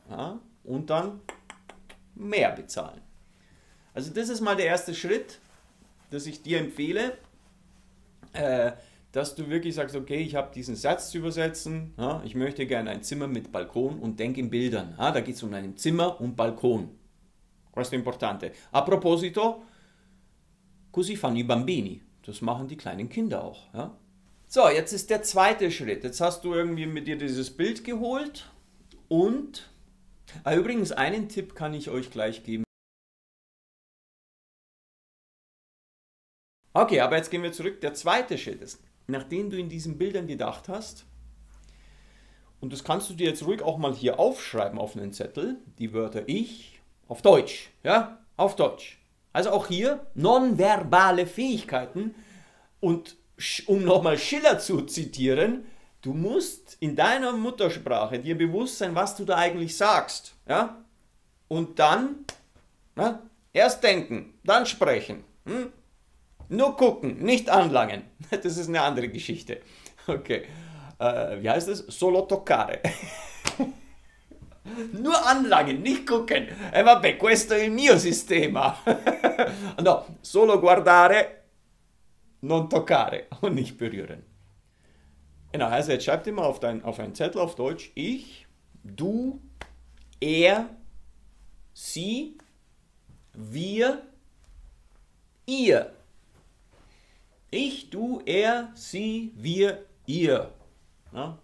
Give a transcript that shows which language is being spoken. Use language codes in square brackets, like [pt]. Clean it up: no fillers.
[de] Ja, und dann mehr bezahlen. Also das ist mal der erste Schritt, dass ich dir empfehle, dass du wirklich sagst, okay, ich habe diesen Satz zu übersetzen. Ja, ich möchte gerne ein Zimmer mit Balkon und denk in Bildern. Ja, da geht es um ein Zimmer und Balkon. [it] Questo importante. A proposito, così fanno i bambini. [de] Das machen die kleinen Kinder auch. Ja? So, jetzt ist der zweite Schritt. Jetzt hast du irgendwie mit dir dieses Bild geholt. Und, übrigens, einen Tipp kann ich euch gleich geben. Okay, aber jetzt gehen wir zurück. Der zweite Schritt ist, nachdem du in diesen Bildern gedacht hast, und das kannst du dir jetzt ruhig auch mal hier aufschreiben auf einen Zettel, die Wörter ich, auf Deutsch, ja, auf Deutsch. Also auch hier nonverbale Fähigkeiten. Und um nochmal Schiller zu zitieren, du musst in deiner Muttersprache dir bewusst sein, was du da eigentlich sagst. Ja? Und dann ja, erst denken, dann sprechen. Hm? Nur gucken, nicht anlangen. Das ist eine andere Geschichte. Okay. Wie heißt das? [it] Solo toccare. [de] Nur anlangen, nicht gucken. [it] Vabbè, questo è il mio sistema. No, solo guardare, non toccare. [de] Und nicht berühren. Genau, also jetzt schreib dir mal auf einen Zettel auf Deutsch. Ich, du, er, sie, wir, ihr. Ich, du, er, sie, wir, ihr. Ja?